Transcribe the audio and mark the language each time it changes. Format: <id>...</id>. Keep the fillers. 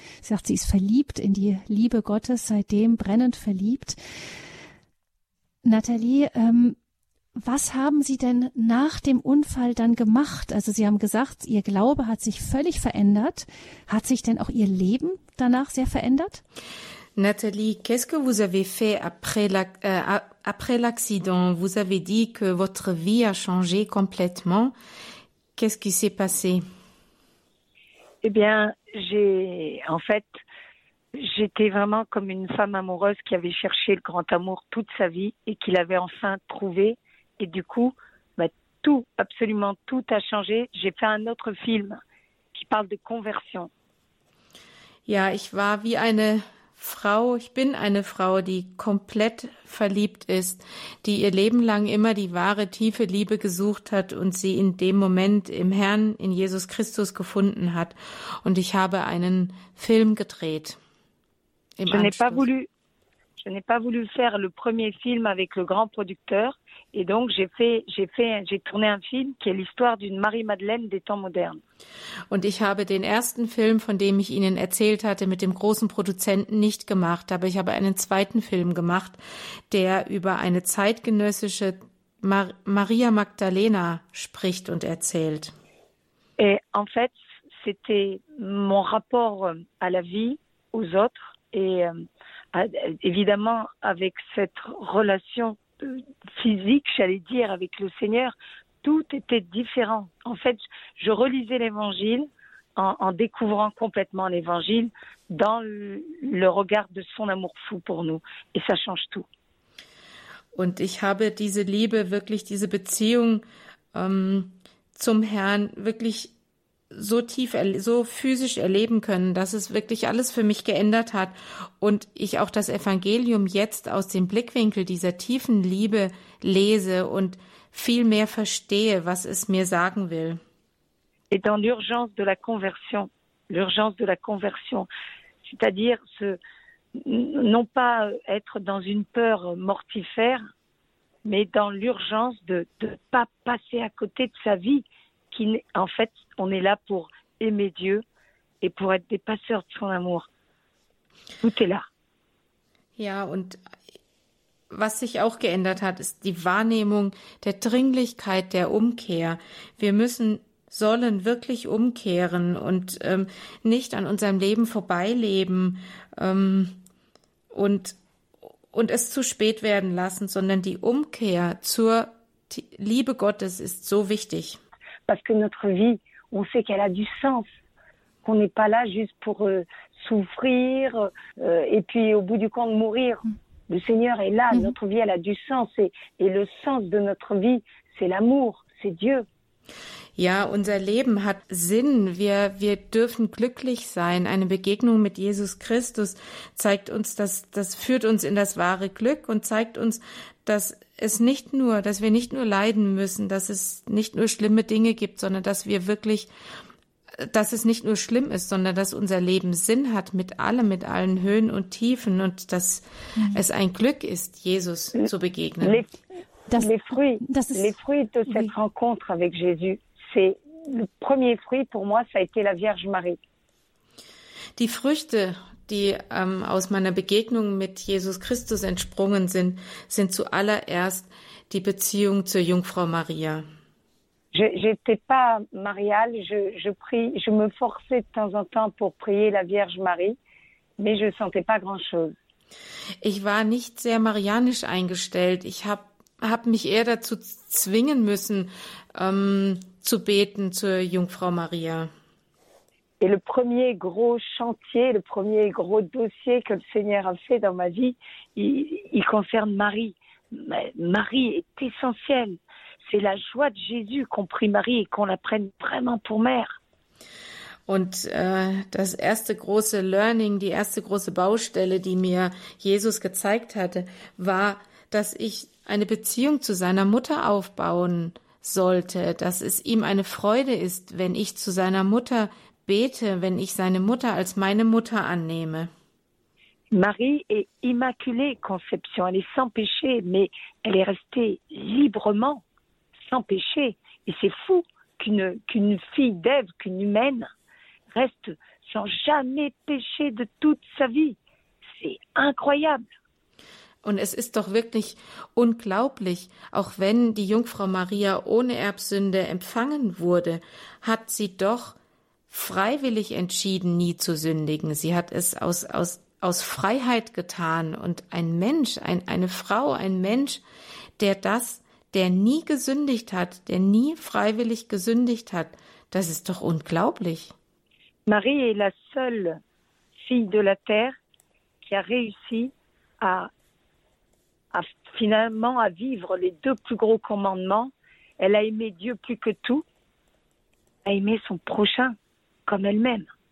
<de>Sie sagt, sie ist verliebt in die Liebe Gottes, seitdem brennend verliebt. Nathalie, ähm, was haben Sie denn nach dem Unfall dann gemacht? Also Sie haben gesagt, Ihr Glaube hat sich völlig verändert. Hat sich denn auch Ihr Leben danach sehr verändert?</de> <fr>Nathalie, qu'est-ce que vous avez fait après l'accident la, euh, Vous avez dit que votre vie a changé complètement. Qu'est-ce qui s'est passé Eh bien, j'ai en fait, j'étais vraiment comme une femme amoureuse qui avait cherché le grand amour toute sa vie et qui l'avait enfin trouvé. Et du coup, bah, tout, absolument tout a changé. J'ai fait un autre film qui parle de conversion.</fr> <de>Ja, ich war wie eine Frau, ich bin eine Frau, die komplett verliebt ist, die ihr Leben lang immer die wahre tiefe Liebe gesucht hat und sie in dem Moment im Herrn, in Jesus Christus gefunden hat. Und ich habe einen Film gedreht.</de> <fr>Im je n'ai pas voulu, je n'ai pas voulu faire le premier film avec le grand producteur, et donc j'ai fait, j'ai fait, j'ai tourné un film qui est l'histoire d'une Marie Madeleine des temps modernes.</fr> <de>Und ich habe den ersten Film, von dem ich Ihnen erzählt hatte, mit dem großen Produzenten nicht gemacht, aber ich habe einen zweiten Film gemacht, der über eine zeitgenössische Mar Maria Magdalena spricht und erzählt.</de> <fr>Et en fait, c'était mon rapport à la vie, aux autres et euh, évidemment avec cette relation physique, j'allais dire, avec le Seigneur, tout était différent. En fait, je relisais l'Évangile en, en, découvrant complètement l'Évangile dans le, le regard de son amour fou pour nous. Et ça change tout.</fr> <de>Und ich habe diese Liebe, wirklich diese Beziehung ähm, zum Herrn wirklich so tief, so physisch erleben können, dass es wirklich alles für mich geändert hat und ich auch das Evangelium jetzt aus dem Blickwinkel dieser tiefen Liebe lese und viel mehr verstehe, was es mir sagen will.</de> <fr>Et dans l'urgence de la conversion, l'urgence de la conversion, c'est-à-dire ce, non pas être dans une peur mortifère, mais dans l'urgence de ne pas passer à côté de sa vie, qui, en fait, on est là pour aimer Dieu et pour être des passeurs de son amour. Tout est là.</fr> <de>Ja, und was sich auch geändert hat, ist die Wahrnehmung der Dringlichkeit der Umkehr. Wir müssen sollen wirklich umkehren und ähm, nicht an unserem Leben vorbeileben ähm, und, und es zu spät werden lassen, sondern die Umkehr zur Liebe Gottes ist so wichtig.</de> <fr>parce que notre vie, on sait qu'elle a du sens, qu'on n'est pas là juste pour euh, souffrir euh, et puis au bout du compte mourir. Le Seigneur est là, Mhm. notre vie elle a du sens et, et le sens de notre vie c'est l'amour, c'est Dieu.</fr> <de>Ja, unser Leben hat Sinn. Wir, wir dürfen glücklich sein. Eine Begegnung mit Jesus Christus zeigt uns, dass das führt uns in das wahre Glück und zeigt uns, dass es nicht nur, dass wir nicht nur leiden müssen, dass es nicht nur schlimme Dinge gibt, sondern dass wir wirklich, dass es nicht nur schlimm ist, sondern dass unser Leben Sinn hat mit allem, mit allen Höhen und Tiefen und dass es ein Glück ist, Jesus zu begegnen.</de> <fr>Les,</fr> <de>Das,</de> <fr>les fruits,</fr> <de>das ist-</de> <fr>les fruits de cette oui. rencontre avec Jésus, c'est le premier fruit pour moi ça a été la Vierge Marie.</fr> <de>Die Früchte, die ähm, aus meiner Begegnung mit Jesus Christus entsprungen sind, sind zuallererst die Beziehung zur Jungfrau Maria.</de> <fr>Je- J'étais pas mariale, je, je prie, je me forçais de temps en temps pour prier la Vierge Marie, mais je sentais pas grand chose.</fr> <de>Ich war nicht sehr marianisch eingestellt. Ich habe hab mich eher dazu zwingen müssen, ähm, zu beten zur Jungfrau Maria.</de> <fr>Et le premier gros chantier, le premier gros dossier que le Seigneur a fait dans ma vie, il, il concerne Marie. Ma- Marie est essentielle. C'est la joie de Jésus qu'on prie Marie et qu'on la prenne vraiment pour mère. Und äh, das erste große Learning, die erste große Baustelle, die mir Jesus gezeigt hatte, war, dass ich eine Beziehung zu seiner Mutter aufbauen sollte, dass es ihm eine Freude ist, wenn ich zu seiner Mutter bete, wenn ich seine Mutter als meine Mutter annehme. Marie est immaculée conception. Elle est sans péché, mais elle est restée librement, sans péché. Et c'est fou qu'une qu'une fille d'Ève, qu'une humaine, reste sans jamais péché de toute sa vie. C'est incroyable.</fr> <de>Und es ist doch wirklich unglaublich, auch wenn die Jungfrau Maria ohne Erbsünde empfangen wurde, hat sie doch freiwillig entschieden, nie zu sündigen. Sie hat es aus, aus, aus Freiheit getan. Und ein Mensch, ein, eine Frau, ein Mensch, der das, der nie gesündigt hat, der nie freiwillig gesündigt hat, das ist doch unglaublich.</de> <fr>Marie est la seule fille de la terre qui a réussi à, à finalement à vivre les deux plus gros commandements. Elle a aimé Dieu plus que tout, a aimé son prochain comme elle-même.</fr>